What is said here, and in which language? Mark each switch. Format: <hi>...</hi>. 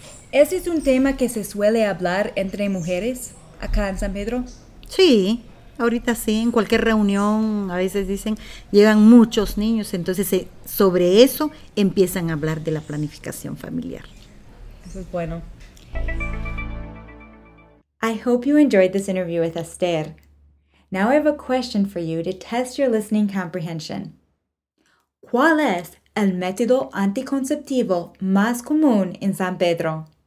<es>¿Ese es un tema que se suele hablar entre mujeres acá en San Pedro? Sí, ahorita sí. En cualquier reunión a veces dicen, llegan muchos niños. Entonces sobre eso empiezan a hablar de la planificación familiar. Eso es bueno.</es> <en>I hope you enjoyed this interview with Esther. Now I have a question for you to test your listening comprehension.</en> <es>¿Cuál es el método anticonceptivo más común en San Pedro?</es>